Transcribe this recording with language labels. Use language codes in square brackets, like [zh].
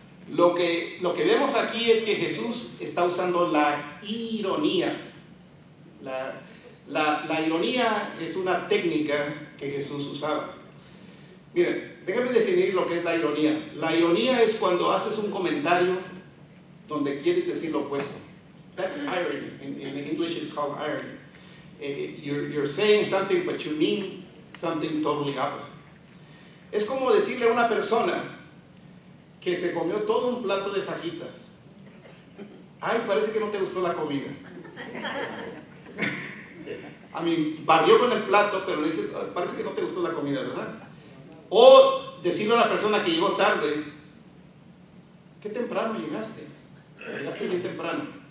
[es] Lo que vemos aquí es que Jesús está usando la ironía. La ironía es una técnica que Jesús usaba. Miren, déjame definir lo que es la ironía. La ironía es cuando haces un comentario donde quieres decir lo opuesto. [en] That's irony. In English it's called irony. You're saying something, but you mean something totally opposite. [es] Es como decirle a una persona que se comió todo un plato de fajitas, ay, parece que no te gustó la comida. A mí, barrió con el plato, pero le dices, parece que no te gustó la comida, ¿verdad? O decirle a la persona que llegó tarde, ¿qué temprano llegaste? Llegaste bien temprano.